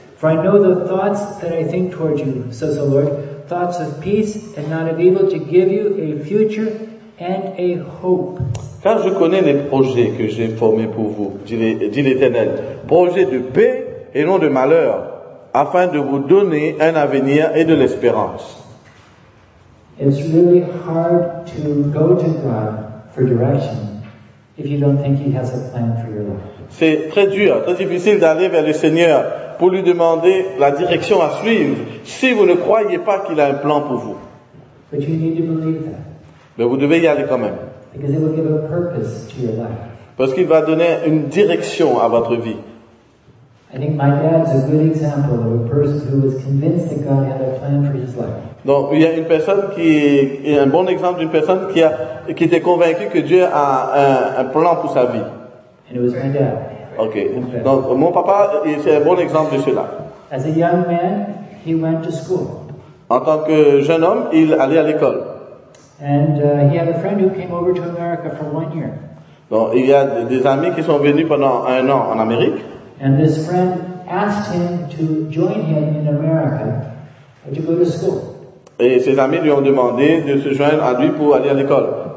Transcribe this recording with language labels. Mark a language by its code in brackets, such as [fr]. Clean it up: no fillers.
[en] For I know the thoughts that I think toward you, says the Lord, thoughts of peace and not of evil, to give you a future and a hope. [fr] Car je connais les projets que j'ai formés pour vous, dit l'Éternel, projets de paix et non de malheur, afin de vous donner un avenir et de l'espérance. [en] It's really hard to go to God for direction if you don't think He has a plan for your life. [fr] C'est très dur, très difficile d'aller vers le Seigneur pour lui demander la direction à suivre si vous ne croyez pas qu'il a un plan pour vous. [en] But you need to believe that. [fr] Mais vous devez y aller quand même. [en] Because it will give a purpose to your life. [fr] Parce qu'il va donner une direction à votre vie. [en] I think my dad's a good example of a person who was convinced that God had a plan for his life. [fr] Donc, il y a une personne qui est un bon exemple d'une personne qui était convaincue que Dieu a un plan pour sa vie. [en] And it was my dad. Okay. [fr] Donc, mon papa, c'est un bon exemple de cela. [en] As a young man, he went to school. [fr] En tant que jeune homme, il allait à l'école. [en] And he had a friend who came over to America for 1 year. [fr] Donc, il y a des amis qui sont venus pendant un an en Amérique. [en] And this friend asked him to join him in America to go to school. [fr] Et ses amis lui ont demandé de se joindre à lui pour aller à l'école.